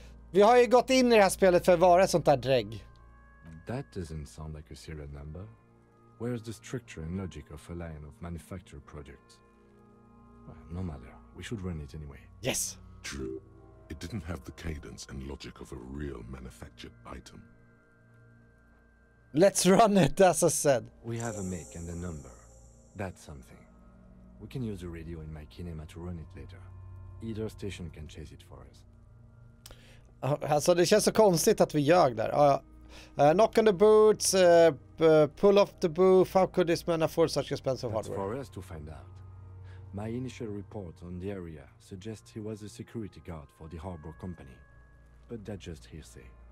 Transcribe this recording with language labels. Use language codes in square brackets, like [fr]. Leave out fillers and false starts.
[sv] Vi har ju gått in i det här spelet för att vara sånt där drägg. [en] That doesn't sound like a serial number. Where's the structure and logic of a line of manufacturer projects? Well, no matter. We should run it anyway. Yes. True. It didn't have the cadence and logic of a real manufactured item. Let's run it, as I said. We have a make and a number. That's something. We can use the radio in my kinema to run it later. Either station can chase it for us. [sv] Alltså, det känns så konstigt att vi jagar där. Ja. [en] Knock on the boots, pull off the booth. How could this man afford such expensive That's hardware? For us to find out. My initial report on the area suggests he was a security guard for the harbor company. But that's just hearsay.